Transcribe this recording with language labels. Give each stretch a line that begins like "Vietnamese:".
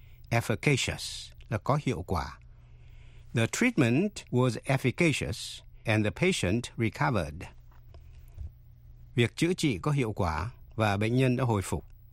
Vietnamese: Efficacious là có hiệu quả.
English: The treatment was efficacious and the patient recovered.
Vietnamese: Việc chữa trị có hiệu quả và bệnh nhân đã hồi phục.